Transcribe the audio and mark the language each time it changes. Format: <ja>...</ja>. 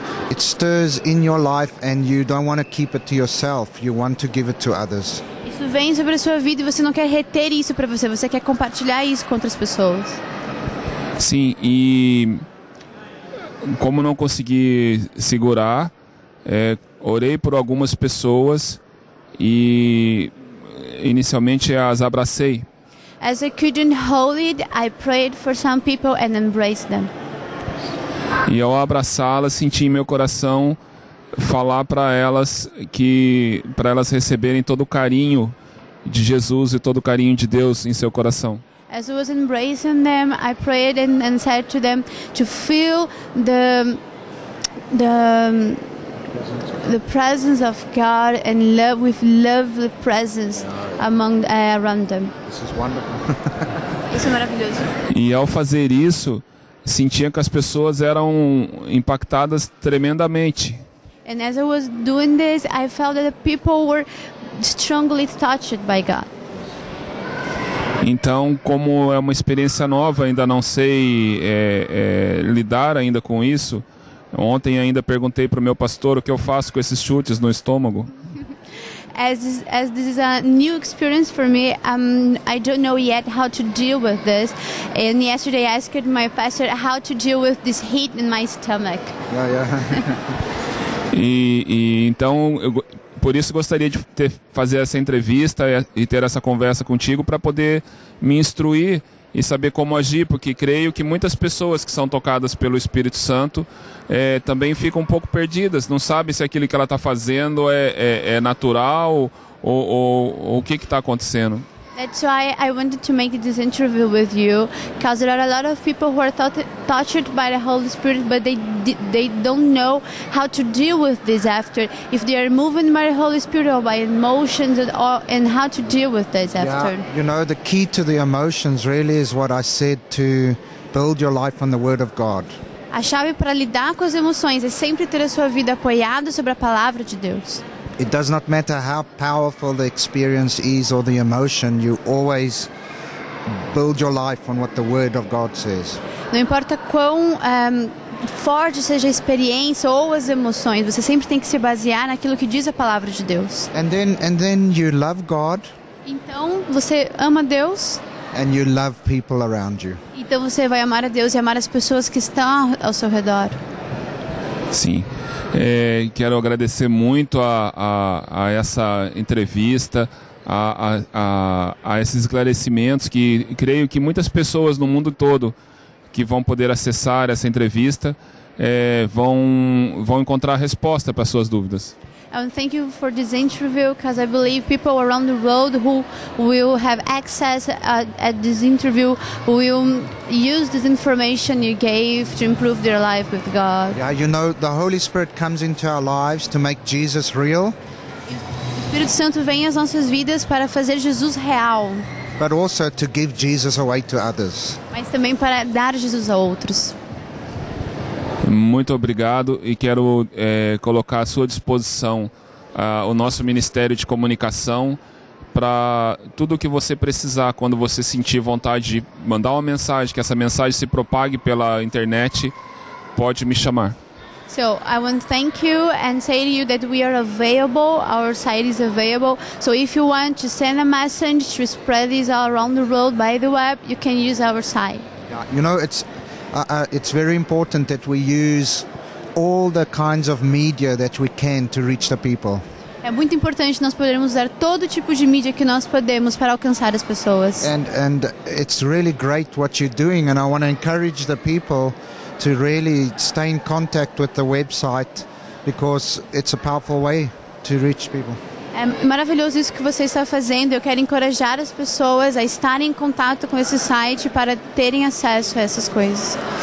<en>It stirs in your life and you don't want to keep it to yourself. You want to give it to others.</en> <pt>Isso vem sobre a sua vida e você não quer reter isso para você. Você quer compartilhar isso com outras pessoas. Sim, e como não consegui segurar, orei por algumas pessoas e inicialmente as abracei.</pt> <en>As I couldn't hold it, I prayed for some people and embraced them.</en> <pt>E ao abraçá-las, senti em meu coração falar para elas para elas receberem todo o carinho de Jesus e todo o carinho de Deus em seu coração.</pt> <en>As I was embracing them, I prayed and said to them to feel the presence of God and love with lovely presence among around them. This is wonderful.</en> <pt>Isso é maravilhoso. E ao fazer isso, sentia que as pessoas eram impactadas tremendamente.</pt> <en>And as I was doing this, I felt that the people were strongly touched by God.</en> <pt>Então, como é uma experiência nova, ainda não sei lidar ainda com isso. Ontem ainda perguntei para o meu pastor o que eu faço com esses chutes no estômago.</pt> <en>As this is a new experience for me, I don't know yet how to deal with this. And yesterday I asked my pastor how to deal with this heat in my stomach. Yeah.</en> <pt>e então, por isso gostaria de fazer essa entrevista e ter essa conversa contigo para poder me instruir e saber como agir, porque creio que muitas pessoas que são tocadas pelo Espírito Santo também ficam um pouco perdidas, não sabem se aquilo que ela está fazendo é natural ou o que está acontecendo.</pt> <en>That's why I wanted to make this interview with you, because there are a lot of people who are touched by the Holy Spirit, but they don't know how to deal with this after, if they are moved by the Holy Spirit or by emotions at all, and how to deal with this after. Yeah, you know, the key to the emotions really is what I said, to build your life on the Word of God.</en> <pt>A chave para lidar com as emoções é sempre ter a sua vida apoiada sobre a Palavra de Deus.</pt> <en>It does not matter how powerful the experience is or the emotion, you always build your life on what the Word of God says.</en> <pt>Não importa quão forte seja a experiência ou as emoções, você sempre tem que se basear naquilo que diz a palavra de Deus.</pt> <en>And then you love God.</en> <pt>Então, você ama Deus?</pt> <en>And you love people around you.</en> <pt>Então você vai amar a Deus e amar as pessoas que estão ao seu redor. Sim. É, quero agradecer muito a essa entrevista, a esses esclarecimentos que creio que muitas pessoas no mundo todo que vão poder acessar essa entrevista vão encontrar resposta para suas dúvidas.</pt> <en>And thank you for this interview, because I believe people around the world who will have access at this interview will use this information you gave to improve their life with God. Yeah, you know, the Holy Spirit comes into our lives to make Jesus real.</en> <pt>O Espírito Santo vem às nossas vidas para fazer Jesus real.</pt> <en>But also to give Jesus away to others.</en> <pt>Mas também para dar Jesus a outros. Muito obrigado e quero colocar à sua disposição o nosso Ministério de Comunicação para tudo o que você precisar. Quando você sentir vontade de mandar uma mensagem, que essa mensagem se propague pela internet, pode me chamar.</pt> <en>So I want to thank you and say to you that we are available, our site is available. So if you want to send a message to spread this all around the world by the web, you can use our site. You know, it's very important that we use all the kinds of media that we can to reach the people.</en> <pt>É muito importante nós podermos usar todo tipo de mídia que nós podemos para alcançar as pessoas.</pt> <en>And it's really great what you're doing, and I want to encourage the people to really stay in contact with the website, because it's a powerful way to reach people.</en> <pt>É maravilhoso isso que você está fazendo. Eu quero encorajar as pessoas a estarem em contato com esse site para terem acesso a essas coisas.</pt>